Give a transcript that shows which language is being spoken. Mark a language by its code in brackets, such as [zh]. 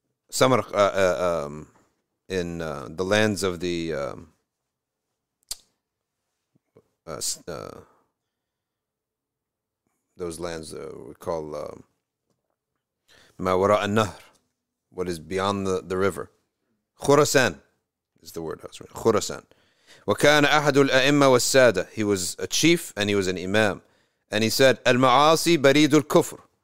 [en] The lands of the those lands we call Ma Wara an-Nahr, what is beyond the river. Khurasan is the word. Khurasan. [ar] وكان أحد الأئمة والسادة. [en] He was a chief and he was an imam. And he said, [ar] المعاصي بريد الكفر.